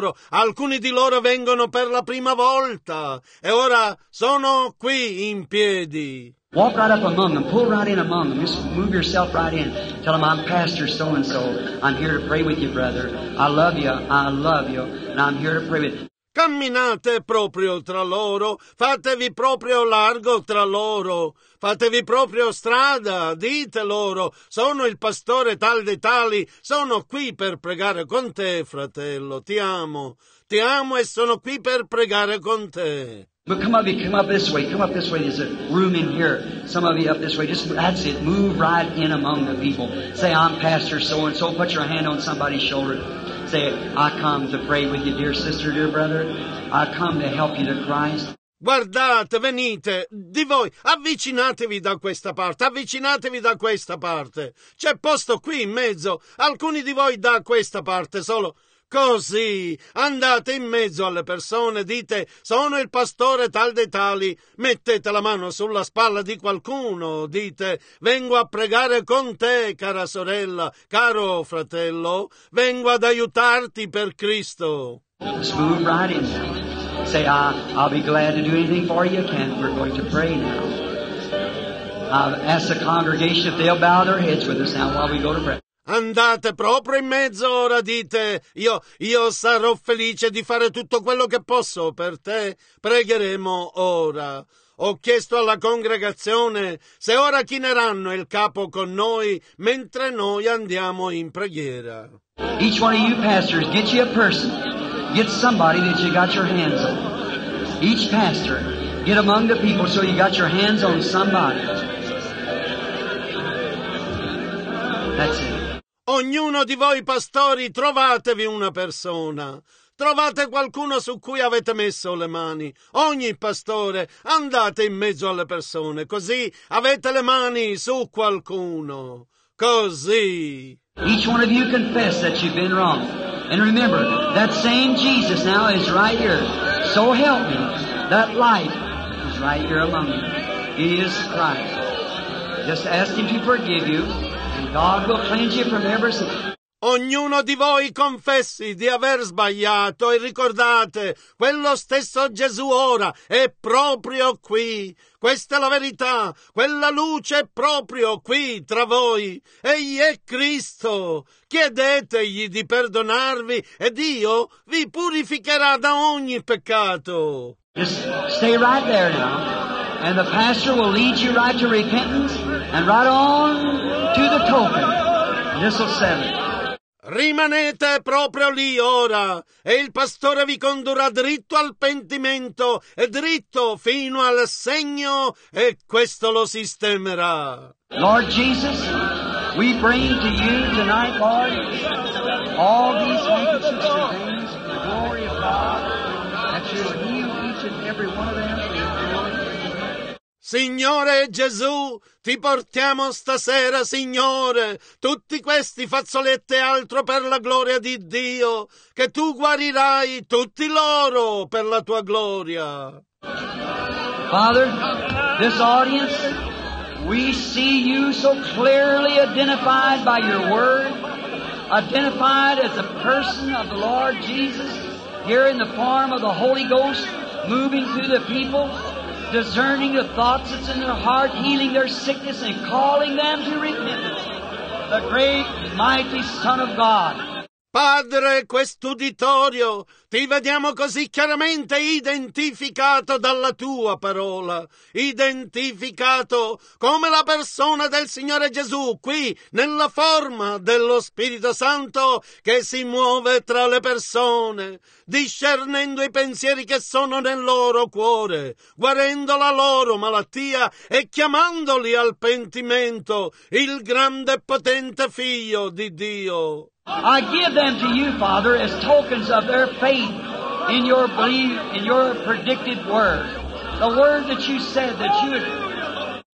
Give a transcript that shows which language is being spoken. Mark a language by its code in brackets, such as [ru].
[it] Alcuni di loro vengono per la prima volta, e ora sono qui in piedi. [en] Walk right up among them. Pull right in among them. Just move yourself right in. Tell them, I'm Pastor so-and-so. I'm here to pray with you, brother. I love you, and I'm here to pray with you. [it] Camminate proprio tra loro, fatevi proprio largo tra loro, fatevi proprio strada, dite loro, sono il pastore tal dei tali, sono qui per pregare con te, fratello, ti amo e sono qui per pregare con te. [en] But come up this way, there's a room in here, some of you up this way, just that's it, move right in among the people, say I'm pastor so and so, put your hand on somebody's shoulder. Say, I come to pray with you, dear sister, dear brother. I come to help you to Christ. [it] Guardate, venite, di voi, avvicinatevi da questa parte. C'è posto qui in mezzo, alcuni di voi da questa parte, solo così. Andate in mezzo alle persone, dite, sono il pastore tal dei tali. Mettete la mano sulla spalla di qualcuno, dite, vengo a pregare con te, cara sorella, caro fratello, vengo ad aiutarti per Cristo. [en] Smooth right in now. Say, I'll be glad to do anything for you, Kent. We're going to pray now. I've asked the congregation if they'll bow their heads with us now while we go to pray. [it] Andate proprio in mezzo ora, dite, io sarò felice di fare tutto quello che posso per te, pregheremo ora. Ho chiesto alla congregazione se ora chineranno il capo con noi mentre noi andiamo in preghiera. [en] Each one of you pastors, get you a person, get somebody that you got your hands on. Each pastor, get among the people so you got your hands on somebody. That's it. [it] Ognuno di voi pastori, trovatevi una persona. Trovate qualcuno su cui avete messo le mani. Ogni pastore, andate in mezzo alle persone, così avete le mani su qualcuno. Così. [en] Each one of you confess that you've been wrong. And remember, that same Jesus now is right here. So help me. That life is right here among you. He is Christ. Just ask him to forgive you. God will cleanse you from every sin. [it] Ognuno di voi confessi di aver sbagliato e ricordate, quello stesso Gesù ora è proprio qui. Questa è la verità, quella luce è proprio qui tra voi. Egli è Cristo. Chiedetegli di perdonarvi e Dio vi purificherà da ogni peccato. [en] Just stay right there now. And the pastor will lead you right to repentance and right on to the token. This will settle. [it] Rimanete proprio lì ora e il pastore vi condurrà dritto al pentimento e dritto fino al segno e questo lo sistemerà. [en] Lord Jesus, We bring to you tonight, Lord, all these handkerchiefs and things for the glory of God, that you would heal each and every one of them. [it] Signore Gesù, ti portiamo stasera, Signore, tutti questi fazzoletti e altro per la gloria di Dio, che tu guarirai tutti loro per la tua gloria. [en] Father, this audience, we see you so clearly identified by your word, identified as the person of the Lord Jesus, here in the form of the Holy Ghost, moving through the people, discerning the thoughts that's in their heart, healing their sickness, and calling them to repentance. The great, mighty Son of God. [it] Padre, quest'uditorio, ti vediamo così chiaramente identificato dalla tua parola, identificato come la persona del Signore Gesù qui, nella forma dello Spirito Santo che si muove tra le persone, discernendo i pensieri che sono nel loro cuore, guarendo la loro malattia e chiamandoli al pentimento, il grande e potente Figlio di Dio. [en] I give them to you, Father, as tokens of their faith in your belief, in your predicted word. The word that you said that you would...